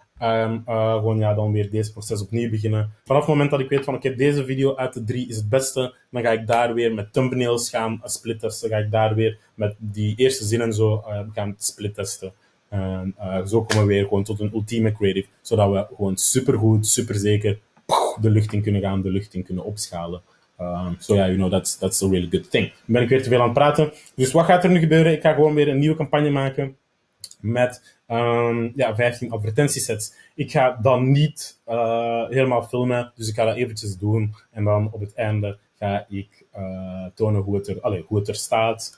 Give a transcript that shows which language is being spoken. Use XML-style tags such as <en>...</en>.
<nl>En gewoon ja, dan weer deze proces opnieuw beginnen. Vanaf het moment dat ik weet van, oké, deze video uit de 3 is het beste, dan ga ik daar weer met thumbnails gaan splittesten. Ga ik daar weer met die eerste zin en zo gaan splittesten. En zo komen we weer gewoon tot een ultieme creative, zodat we gewoon supergoed, superzeker de lucht in kunnen opschalen.</nl> <en>That's a really good thing.</en> <nl>Dan ben ik weer te veel aan het praten. Dus wat gaat er nu gebeuren? Ik ga gewoon weer een nieuwe campagne maken met... 15 advertentiesets. Ik ga dan niet helemaal filmen, dus ik ga dat eventjes doen. En dan op het einde ga ik tonen hoe het er staat.</nl>